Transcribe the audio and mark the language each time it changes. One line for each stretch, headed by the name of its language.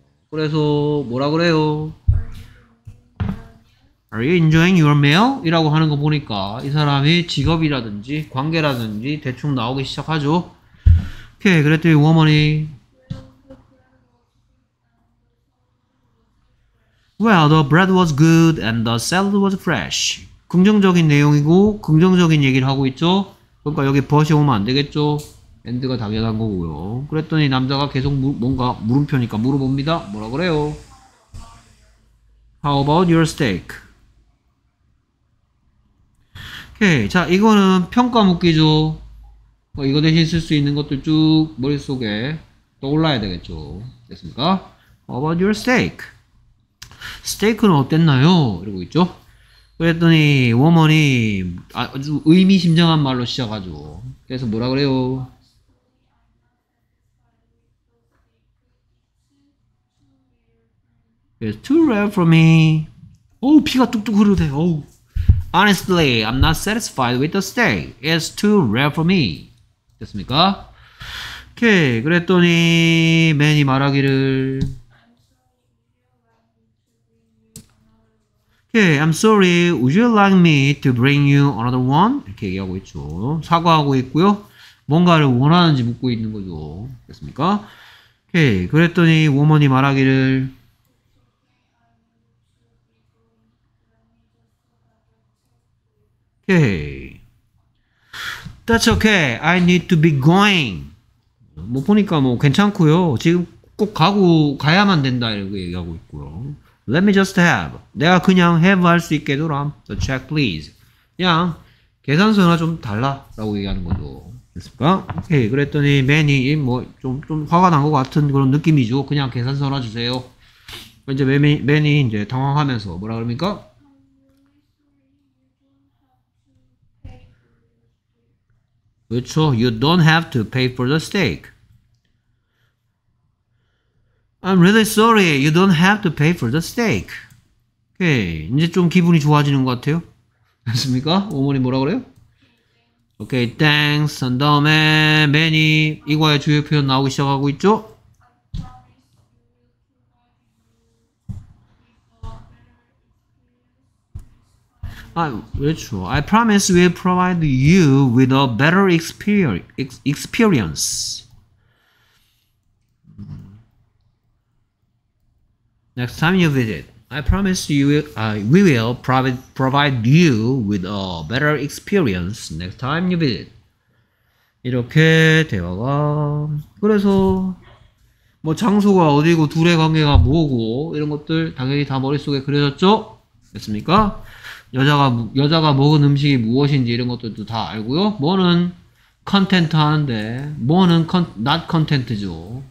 Korean: 그래서 뭐라 그래요?
English: Are you enjoying your meal?
Korean: 이라고 하는 거 보니까 이 사람이 직업이라든지 관계라든지 대충 나오기 시작하죠. 오케이, 그랬더니 워먼이
English: Well, the bread was good and the salad was fresh.
Korean: 긍정적인 내용이고 긍정적인 얘기를 하고 있죠. 그러니까 여기 but이 오면 안 되겠죠. and가 당연한 거고요. 그랬더니 남자가 계속 뭔가 물음표니까 물어봅니다. 뭐라 그래요?
English: How about your steak?
Korean: Okay, 자 이거는 평가 묻기죠. 이거 대신 쓸 수 있는 것들 쭉 머릿속에 떠올라야 되겠죠. 됐습니까?
English: How about your steak?
Korean: 스테이크는 어땠나요? 이러고 있죠. 그랬더니 워먼이 아주 의미심장한 말로 시작하죠. 그래서 뭐라 그래요? 그래서
English: too rare for me.
Korean: 오우 피가 뚝뚝 흐르대. 오우.
English: Honestly, I'm not satisfied with the steak. It's too rare for me.
Korean: 됐습니까? 오케이. 그랬더니 맨이 말하기를 오케이.
English: I'm sorry. Would you like me to bring you another one?
Korean: 이렇게 얘기하고 있죠. 사과하고 있고요. 뭔가를 원하는지 묻고 있는 거죠. 됐습니까? 오케이. 그랬더니 워먼이 말하기를 오케이.
English: That's okay. I need to be going.
Korean: 뭐 보니까 뭐 괜찮고요. 지금 꼭 가고 가야만 된다 이렇게 얘기하고 있고요.
English: Let me just have.
Korean: 내가 그냥 have 할 수 있게 도람.
English: The check please.
Korean: 그냥 계산서나 좀 달라 라고 얘기하는 거죠. 됐습니까? 오케이. 그랬더니 맨이 뭐 좀 화가 난 것 같은 그런 느낌이죠. 그냥 계산서나 주세요. 이제 맨이 이제 당황하면서 뭐라 그럽니까?
English: So you don't have to pay for the steak. I'm really sorry. You don't have to pay for the steak. Okay.
Korean: 이제 좀 기분이 좋아지는 것 같아요. 됐습니까? 어머니 뭐라 그래요?
English: Okay. Thanks.
Korean: 한 다음에 Manny 이거의 주요 표현 나오기 시작하고 있죠? 아, 그렇죠.
English: I promise we'll provide you with a better experience. Next time you visit, I promise you we will provide you with a better experience next time you visit.
Korean: 이렇게 대화가 그래서 뭐 장소가 어디고 둘의 관계가 뭐고 이런 것들 당연히 다 머릿속에 그려졌죠? 됐습니까? 여자가 먹은 음식이 무엇인지 이런 것들도 다 알고요. 뭐는 컨텐트 하는데 뭐는 not 컨텐트죠.